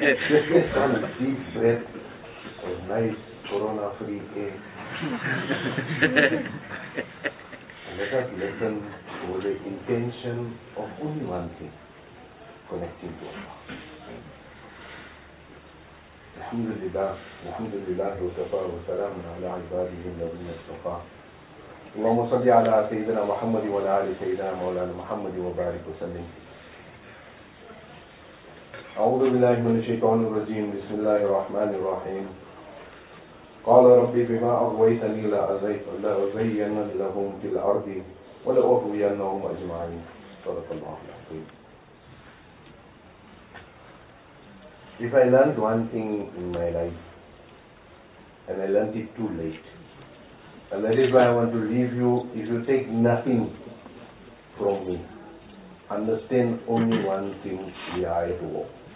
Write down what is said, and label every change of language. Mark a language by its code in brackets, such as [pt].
[en] Just get some deep breath of nice corona-free air. And let us listen to the intention of only one thing, connecting to Allah. [ar] الحمد لله الحمد لله وكفى وسلام على عباده الذين اصطفى اللهم صل على سيدنا محمد وعلى ال سيدنا مولانا محمد وبارك وسلم. أعوذ بالله من الشيطان الرجيم. بسم الله الرحمن الرحيم. قال ربي بما أغويتني لأزين لهم في الأرض ولأغوينهم أجمعين. صدق الله العظيم. [en] If I learned one thing in my life, and I learned it too late, and that is why I want to leave you, if you take nothing from me, understand only one thing, we are at war.